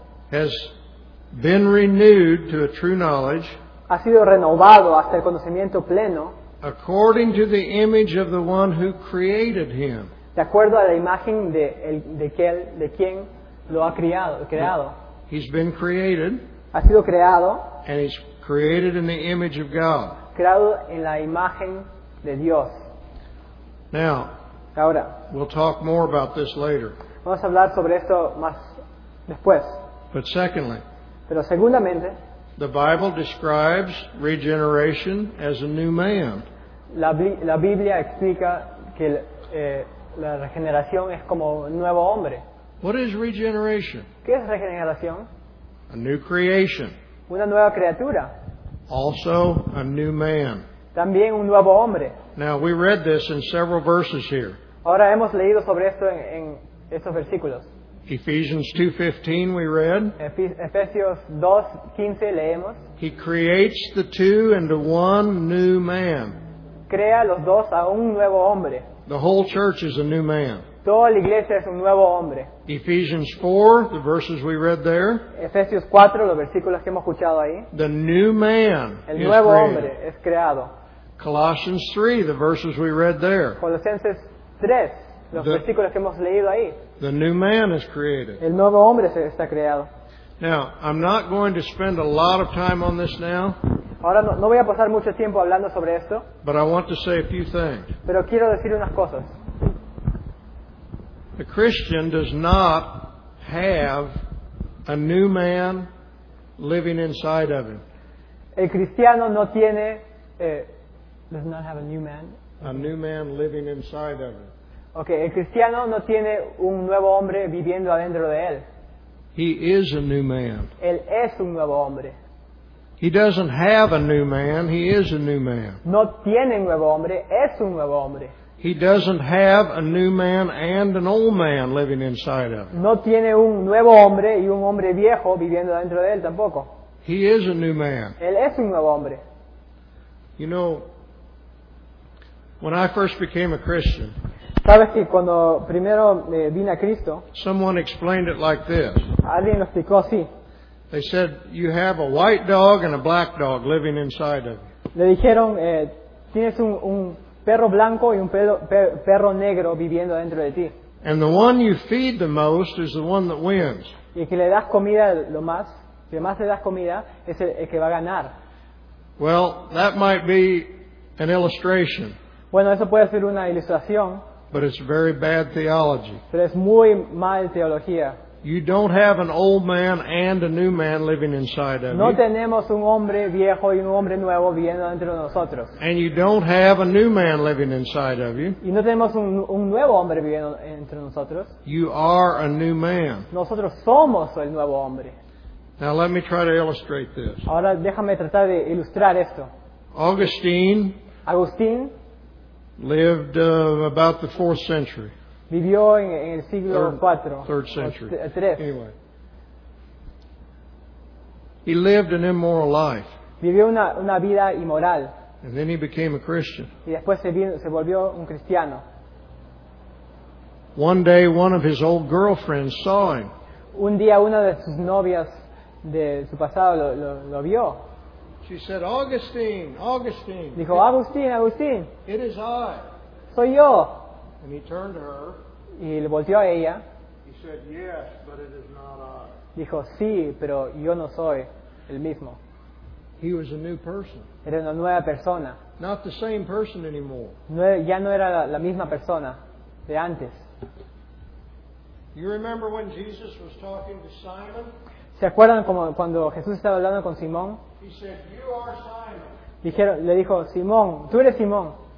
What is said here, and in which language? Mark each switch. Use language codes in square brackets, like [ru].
[en] has been renewed to a true knowledge, [es] ha sido renovado hasta el conocimiento pleno, [en] according to the image of the one who created him. [es] De acuerdo a la imagen de quien lo ha creado. [en] He's been created. [es] Ha sido creado. [en] And he's created in the image of God. [es] Creado en la imagen de Dios. [en] Now, [es] ahora, [en] we'll talk more about this later. [es] Vamos a hablar sobre esto más después. [en] But secondly, [es] pero segundamente, [en] the Bible describes regeneration as a new man. [es] La Biblia explica que la regeneración es como un nuevo hombre. [en] What is regeneration? [es] ¿Qué es regeneración? [en] A new creation. [es] Una nueva criatura. [en] Also a new man. [es] También un nuevo hombre. [en] Now we read this in several verses here. [es] Ahora hemos leído sobre esto en estos versículos. [en] Ephesians 2:15 we read. [es] Efesios 2:15 leemos. [en] He creates the two into one new man. [es] Crea los dos a un nuevo hombre. [en] The whole church is a new man. [es] Toda la iglesia es un nuevo hombre. [en] Ephesians 4, the verses we read there. [es] Efesios 4, los versículos que hemos escuchado ahí. [en] The new man. [es] El nuevo hombre es creado. [en] Colossians 3, the verses we read there. [es] Colosenses 3. Los versículos que hemos leído ahí. [en] The new man is created. [es] El nuevo hombre se está creado. [en] Now, I'm not going to spend a lot of time on this now. [es] Ahora no voy a pasar mucho tiempo hablando sobre esto. [en] But I want to say a few things. [es] Pero quiero decir unas cosas. [en] A Christian does not have a new man living inside of him. [es] El cristiano no tiene [en] does not have a new man. A new man living inside of him. [es] Okay, el cristiano no tiene un nuevo hombre viviendo adentro de él. [en] He is a new man. [es] Él es un nuevo hombre. [en] He doesn't have a new man, he is a new man. [es] No tiene nuevo hombre, es un nuevo hombre. [en] He doesn't have a new man and an old man living inside of him. [es] No tiene un nuevo hombre y un hombre viejo viviendo adentro de él tampoco. [en] He is a new man. [es] Él es un nuevo hombre. [en] You know, when I first became a Christian, [es] ¿sabes que cuando primero vine a Cristo? [en] Someone explained it like this. [es] Alguien lo explicó así. [en] They said you have a white dog and a black dog living inside of you. [es] Le dijeron tienes un perro blanco y un perro negro viviendo dentro de ti. [en] And the one you feed the most is the one that wins. [es] Y el que le das comida lo más, si más le das comida, es el que va a ganar. [en] Well, that might be an illustration. [es] Bueno, eso puede ser una ilustración. [en] But it's very bad theology. [es] Pero es muy mal teología. [en] You don't have an old man and a new man living inside of you. [es] No tenemos un hombre viejo y un hombre nuevo viviendo dentro de nosotros. [en] And you don't have a new man living inside of you. [es] Y no tenemos un nuevo hombre viviendo entre nosotros. [en] You are a new man. [es] Nosotros somos el nuevo hombre. [en] Now let me try to illustrate this. [es] Ahora déjame tratar de ilustrar esto. [en] Agustín lived about the 4th century. [es] Vivió en el siglo 4. [en] Third century. [es] Tres. [en] Anyway. He lived an immoral life. [es] Vivió una vida inmoral. [en] And then he became a Christian. [es] Y después se volvió un cristiano. [en] One day one of his old girlfriends saw him. [es] Un día una de sus novias de su pasado lo vio. [en] She said, "Augustine, Augustine." [es] Dijo, "Agustín, Agustín." [en] "It is I." [es] "Soy yo." [en] And he turned to her. [es] Y le volteó a ella. [en] He said, "Yes, but it is not I." [es] Dijo, "Sí, pero yo no soy el mismo." [en] He was a new person. [es] Era una nueva persona. [en] Not the same person anymore. [es] No, ya no era la misma persona de antes. [en] You remember when Jesus was talking to Simon? [es] ¿Se acuerdan cuando Jesús estaba hablando con Simón? [en] He said, "You are Simon." [es] Le dijo, "Simón, tú eres Simón.